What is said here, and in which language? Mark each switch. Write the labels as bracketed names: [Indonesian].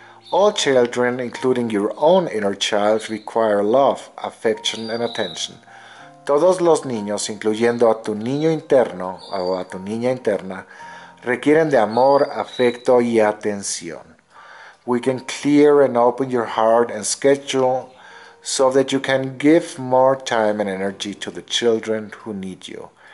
[English] All children, including your own inner child, require love, affection and attention. [Spanish] Todos los niños, incluyendo a tu niño interno o a tu niña interna, requieren de amor, afecto y atención. [English] We can clear and open your heart and schedule so that you can give more time and energy to the children who need you.